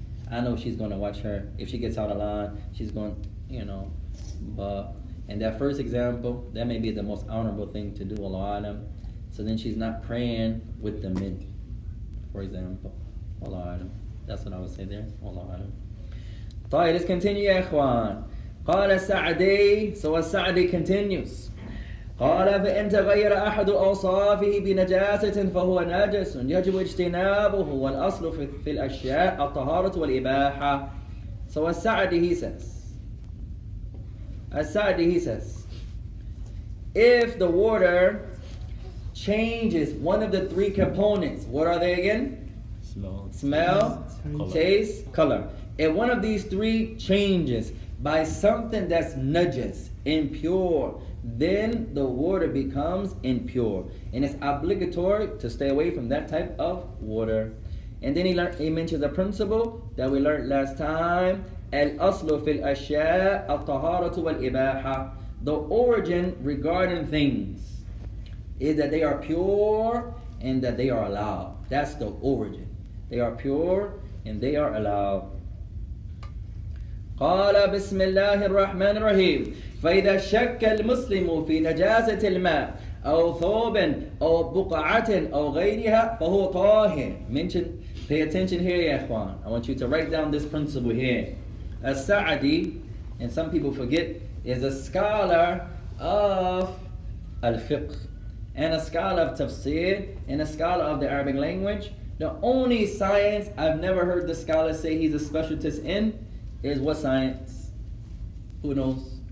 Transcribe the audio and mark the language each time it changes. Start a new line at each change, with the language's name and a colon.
English: I know she's going to watch her. If she gets out of line, she's going, you know. But in that first example, that may be the most honorable thing to do, Allah Alam. So then she's not praying with the men, for example. Allah Alam. That's what I would say there. Allah Alam. Ta'ir, let's continue, Ya Ikhwan.
Arabic: قال السعدي
English: so السعدي continues
Arabic: قال فإن تغير أحد أوصافه بنجاسة فهو نجس يجب اجتنابه والأصل في الأشياء الطهارة والإباحة
English: so السعدي he says if the water changes one of the three components, what are they again? Smell, taste, color. If one of these three changes by something that's najis, impure, then the water becomes impure. And it's obligatory to stay away from that type of water. And then he mentions a principle that we learned last time.
Arabic: Al-aslu fil ashya' al-taharatu wal-ibaha.
English: The origin regarding things is that they are pure and that they are allowed. That's the origin. They are pure and they are allowed.
Arabic: قال بسم الله الرحمن الرحيم فإذا شك المسلم في نجاسة الماء أو ثوب أو بقعة أو غيرها فهو طاهر.
English: Mention, pay attention here, ya ikhwan. I want you to write down this principle here. As-Sa'di, and some people forget, is a scholar of al-fiqh and a scholar of tafsir and a scholar of the Arabic language. The only science I've never heard the scholar say he's a specialist in is what science? Who knows?